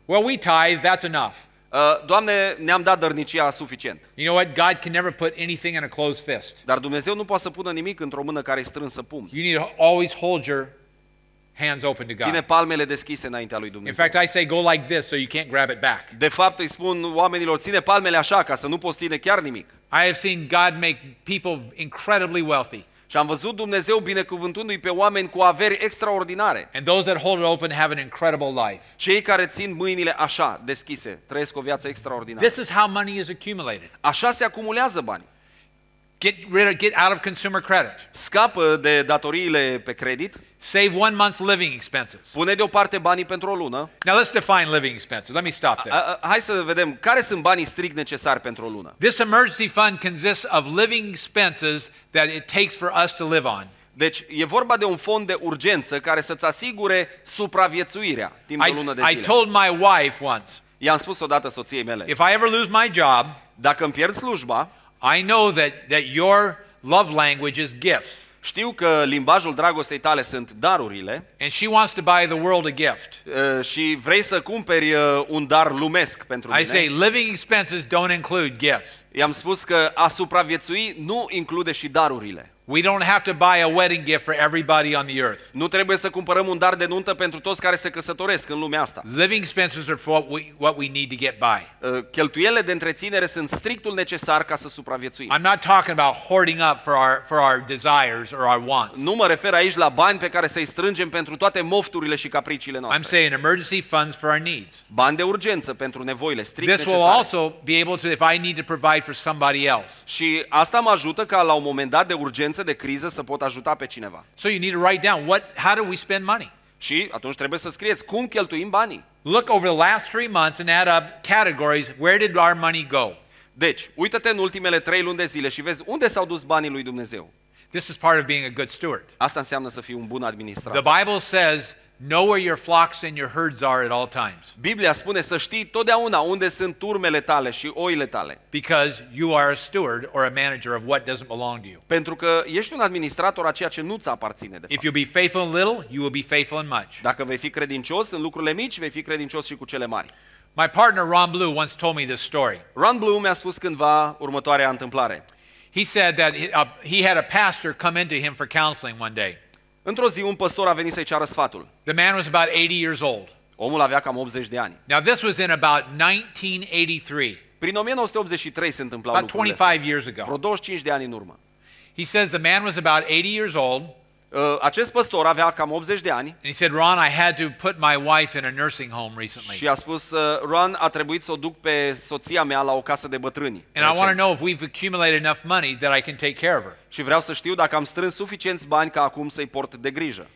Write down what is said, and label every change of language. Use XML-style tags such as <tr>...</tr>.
<en>Well, we tithe, that's enough.</en> <ro>Doamne, ne-am dat dărnicia suficient.</ro> <en>You know what? God can never put anything in a closed fist.</en> <ro>Dar Dumnezeu nu poate să pună nimic într-o mână care e strânsă pumn.</ro> <en>You need to always hold your hands open to God.</en> <ro>Ține palmele deschise înaintea lui Dumnezeu.</ro> <en>In fact, I say go like this so you can't grab it back.</en> <ro>De fapt, îi spun oamenilor, ține palmele așa ca să nu poți ține chiar nimic.</ro> <en>I have seen God make people incredibly wealthy.</en> <ro>Și am văzut Dumnezeu binecuvântându-i pe oameni cu averi extraordinare.</ro> <en>And those that hold it open have an incredible life.</en> <ro>Cei care țin mâinile așa deschise trăiesc o viață extraordinară.</ro> <en>This is how money is accumulated.</en> <ro>Așa se acumulează banii.</ro> <en>Get out of consumer credit.</en> <ro>Scapă de datoriile pe credit.</ro> <en>Save one month's living expenses.</en> <ro>Pune deoparte banii pentru o lună.</ro> <en>Now let's define living expenses. Let me stop there.</en> <ro>Hai să vedem care sunt banii strict necesari pentru o lună.</ro> <en>This emergency fund consists of living expenses that it takes for us to live on.</en> <ro>Deci e vorba de un fond de urgență care să-ți asigure supraviețuirea timp de o lună de zile.</ro> <en>I told my wife once.</en> <ro>I-am spus odată soției mele.</ro> <en>If I ever lose my job,</en> <ro>dacă îmi pierd slujba,</ro> <en>I know that your love language is gifts.</en> <ro>Știu că limbajul dragostei tale sunt darurile.</ro> <en>And she wants to buy the world a gift.</en> <ro>Și vrei să cumperi un dar lumesc pentru mine.</ro> <en>I say living expenses don't include gifts.</en> <ro>I-am spus că a supraviețui nu include și darurile.</ro> <en>We don't have to buy a wedding gift for everybody on the earth.</en> <ro>Nu trebuie să cumpărăm un dar de nuntă pentru toți care se căsătoresc în lumea asta.</ro> <en>Living expenses are for what we need to get by.</en> <ro>Cheltuielile de întreținere sunt strictul necesar ca să supraviețuim.</ro> <en>I'm not talking about hoarding up for our desires or our wants.</en> <ro>Nu mă refer aici la bani pe care să-i strângem pentru toate mofturile și capriciile noastre.</ro> <en>I'm saying emergency funds for our needs.</en> <ro>Bani de urgență pentru nevoile strict necesare.</ro> <en>This will also be able to if I need to provide for somebody else.</en> <ro>Și asta mă ajută ca la un moment dat de urgență de criză să pot ajuta pe cineva.</ro> <en>So you need to write down how do we spend money?</en> <ro>Și atunci trebuie să scrieți cum cheltuim banii.</ro> <en>Look over the last 3 months and add up categories, where did our money go?</en> <ro>Deci, uită-te în ultimele 3 luni de zile și vezi unde s-au dus banii lui Dumnezeu.</ro> <en>This is part of being a good steward.</en> <ro>Asta înseamnă să fii un bun administrator.</ro> <en>The Bible says, know where your flocks and your herds are at all times.</en> <ro>Biblia spune să știi totdeauna unde sunt turmele tale și oile tale.</ro> <en>Because you are a steward or a manager of what doesn't belong to you.</en> <ro>Pentru că ești un administrator a ceea ce nu ți aparține de fapt.</ro> <en>If you be faithful in little, you will be faithful in much.</en> <ro>Dacă vei fi credincios în lucrurile mici, vei fi credincios și cu cele mari.</ro> <en>My partner Ron Blue once told me this story.</en> <ro>Ron Blue mi-a spus cândva următoarea întâmplare.</ro> <en>He said that he had a pastor come into him for counseling one day.</en> <ro>Într-o zi un pastor a venit să-i ceară sfatul.</ro> <en>The man was about 80 years old.</en> <ro>Omul avea cam 80 de ani.</ro> <en>Now this was in about 1983.</en> <ro>Prin 1983 se întâmplau lucrurile.</ro> <en>About 25 years ago.</en> <ro>Vreo 25 de ani în urmă.</ro> <en>He says the man was about 80 years old.</en> <ro>Acest pastor avea cam 80 de ani.</ro> <en>And he said, Ron, I had to put my wife in a nursing home recently.</en> <ro>Și a spus, Ron, a trebuit să o duc pe soția mea la o casă de bătrâni.</ro> <en>And I want to know if we've accumulated enough money that I can take care of her.</en> <ro>Și vreau să știu dacă am strâns suficienți bani ca acum să-i port de grijă.</ro>